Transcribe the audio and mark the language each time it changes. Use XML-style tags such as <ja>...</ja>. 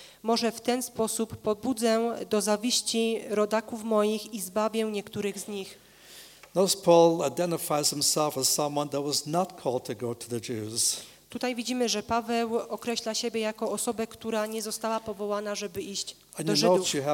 <pl>Może w ten sposób pobudzę do zawiści rodaków moich i zbawię niektórych z nich.</pl> <en>Notice Paul identifies himself as someone that was not called to go to the Jews.</en> <pl>Tutaj widzimy, że Paweł określa siebie jako osobę, która nie została powołana, żeby iść do Żydów.</pl>